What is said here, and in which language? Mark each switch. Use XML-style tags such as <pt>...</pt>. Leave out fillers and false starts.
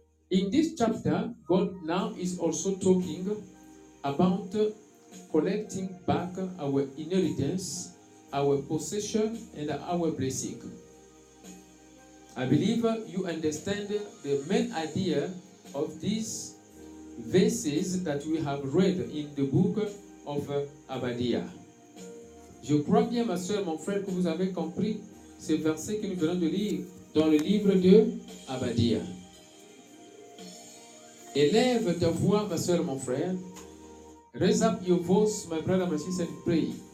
<en>In this chapter, God now is also talking about collecting back our inheritance, our possession, and our blessing. I believe you understand the main idea of these verses that we have read in the book of Abadiah.</en> <fr>Je crois bien, ma soeur, mon frère, que vous avez compris ces versets que nous venons de lire dans le livre de Abadiah. Élève ta voix, ma soeur, mon frère.</fr> <en>Raise up your voice, my brother, my sister, and pray.</en>